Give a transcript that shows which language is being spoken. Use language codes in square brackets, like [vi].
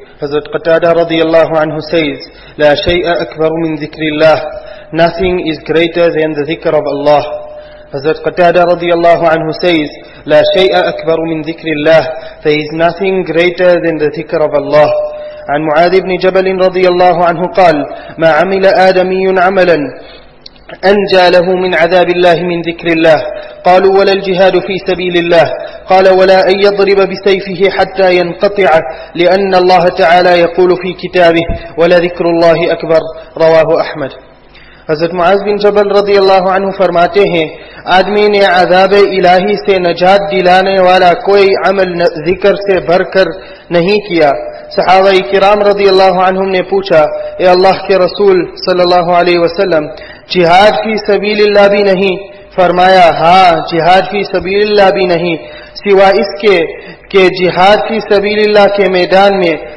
[en] Hazrat Qatada radiyallahu anhu says, [ar] لَا شَيْءَ أَكْبَرُ مِنْ ذِكْرِ اللَّهِ. [en] Nothing is greater than the dhikr of Allah. Hazrat Qatada radiyallahu anhu says, [ar] لَا شَيْءَ أَكْبَرُ مِنْ ذِكْرِ اللَّهِ. [en] There is nothing greater than the dhikr of Allah. [ar] عن معاذ بن جبل رضي الله عنه قال, مَا عَمِلَ آدَمِيٌّ عَمَلًا أنجى له من عذاب الله من ذكر الله. قالوا ولا الجهاد في سبيل الله. قال ولا أن يضرب بسيفه حتى ينقطع, لأن الله تعالى يقول في كتابه ولذكر الله أكبر. رواه أحمد. [ur] حضرت معاذ بن جبل رضي الله عنه فرماتے ہیں, آدمی نے عذاب الہی سے نجات دلانے والا کوئی عمل ذکر سے بھر کر نہیں کیا. صحابہ کرام رضی اللہ عنہم نے پوچھا, اے اللہ کے رسول صلی اللہ علیہ وسلم, جہاد فی سبیل اللہ بھی نہیں؟ فرمایا, ہاں جہاد فی سبیل اللہ بھی نہیں, سوا اس کے کہ جہاد فی سبیل اللہ کے میدان میں